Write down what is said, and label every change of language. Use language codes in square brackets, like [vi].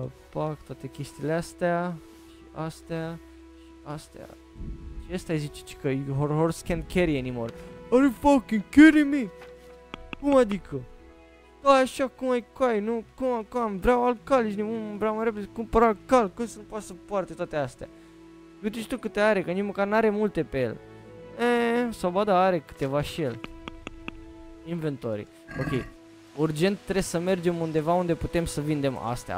[ro] Pac, toate chestiile astea și astea și astea. Ce ăsta zice, că [en] your horse can't carry anymore. Are you fucking kidding me? [ro] Cum adică? Da, așa cum ai coai, nu? Cum, vreau alt cal, ești nimic, vreau mai repede să cumpăr alt cal, cum să nu poată să poarte toate astea? Uite și tu câte are, că nici măcar n-are multe pe el. Sau ba da, are câteva și el. Inventory. Ok. Urgent trebuie să mergem undeva unde putem să vindem astea.